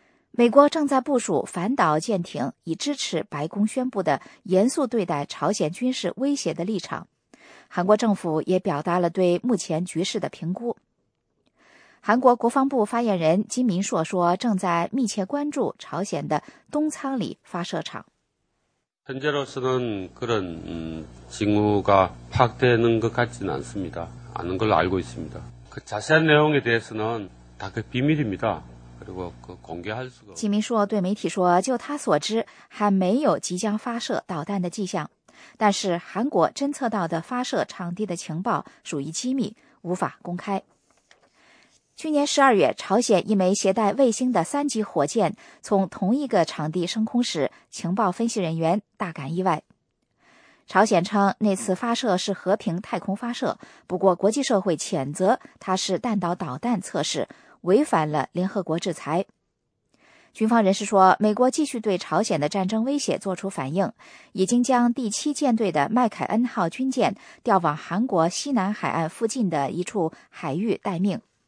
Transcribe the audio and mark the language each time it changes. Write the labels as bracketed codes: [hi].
[zh] 美国正在部署反导舰艇，以支持白宫宣布的严肃对待朝鲜军事威胁的立场。韩国政府也表达了对目前局势的评估。韩国国防部发言人金明硕说，正在密切关注朝鲜的东仓里发射场。 [ko] 현재로서는 그런 징후가 파악되는 것 같지는 않습니다. 아는 걸로 알고 있습니다. 그 자세한 내용에 대해서는 다 그 비밀입니다. 그리고 그 공개할 수가. [zh] 金明硕对媒体说，就他所知，还没有即将发射导弹的迹象，但是韩国侦测到的发射场地的情报属于机密，无法公开。去年12月， 朝鲜一枚携带卫星的三级火箭从同一个场地升空时，情报分析人员大感意外。朝鲜称那次发射是和平太空发射，不过国际社会谴责它是弹道导弹测试，违反了联合国制裁。军方人士说，美国继续对朝鲜的战争威胁做出反应，已经将第七舰队的麦凯恩号军舰调往韩国西南海岸附近的一处海域待命。